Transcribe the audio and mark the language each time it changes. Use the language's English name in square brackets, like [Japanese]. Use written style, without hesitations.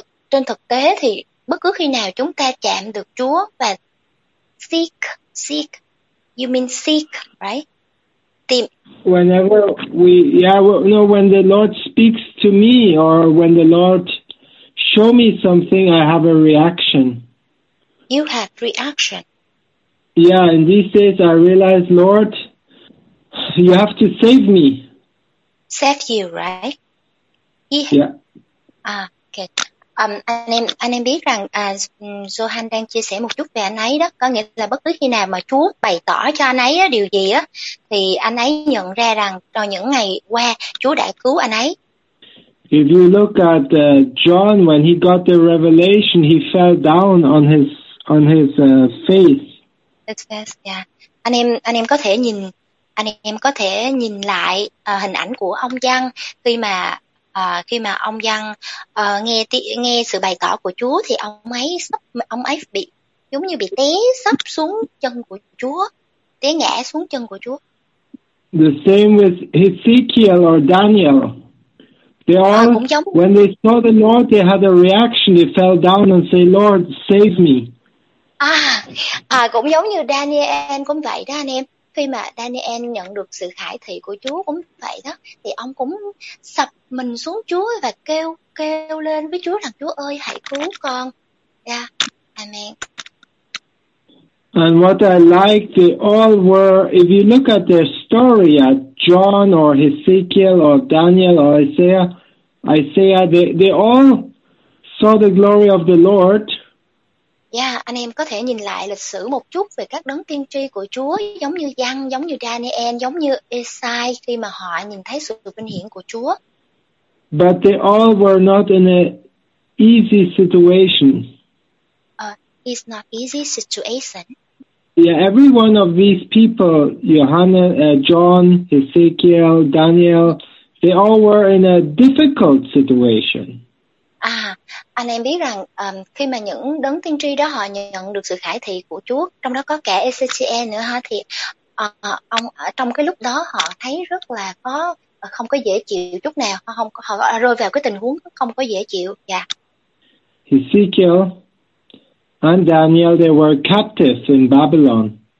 [Vietnamese] Trên thực tế thì bất cứ khi nào chúng ta chạm được Chúa và [English] seek, you mean seek, right? [Vietnamese] Tìm. [English] When the Lord speaks to me or when the Lord show me something, I have a reaction. You have reaction. Yeah, in these days I realize, Lord, you have to save me. Save you, right? Yeah. Ah, okay. [Vietnamese] Anh em biết rằng Johan đang chia sẻ một chút về anh ấy đó. Có nghĩa là bất cứ khi nào mà Chúa bày tỏ cho anh ấy điều gì á, thì anh ấy nhận ra rằng trong những ngày qua Chúa đã cứu anh ấy. [English] If you look at John, when he got the revelation, he fell down on his face. Yes, yeah. [Vietnamese] Anh em có thể nhìn lại hình ảnh của ông Giăng khi mà ông Giăng nghe sự bày tỏ của Chúa, thì ông ấy bị giống như bị té sấp xuống chân của Chúa, té ngã xuống chân của Chúa. [English] The same with Ezekiel or Daniel. They all, when they saw the Lord, they had a reaction. They fell down and say, "Lord, save me." [Vietnamese] Cũng giống như Daniel cũng vậy đó anh em. Khi mà Daniel nhận được sự khải thị của Chúa cũng vậy đó, thì ông cũng sập mình xuống Chúa và kêu lên với Chúa rằng, "Chúa ơi, hãy cứu con." [English] Yeah. Amen. And what I like, they all were, if you look at their story at John or Ezekiel or Daniel or Isaiah, they all saw the glory of the Lord. [Vietnamese] Yeah, anh em có thể nhìn lại lịch sử một chút về các đấng tiên tri của Chúa, giống như Giăng, giống như Daniel, giống như Isaiah, khi mà họ nhìn thấy sự vinh hiển của Chúa. [English] But they all were not in an easy situation. It's not easy situation. Yeah, every one of these people, Johannes, John, Ezekiel, Daniel, they all were in a difficult situation. [Vietnamese] Anh em biết rằng khi mà những đấng tiên tri đó họ nhận được sự khải thị của Chúa, trong đó có cả Ezekiel nữa ha, thì ông ở trong cái lúc đó họ thấy rất là khó, không có dễ chịu chút nào, họ rơi vào cái tình huống không có dễ chịu. [English] Yeah. Ezekiel and Daniel, they were captives in Babylon.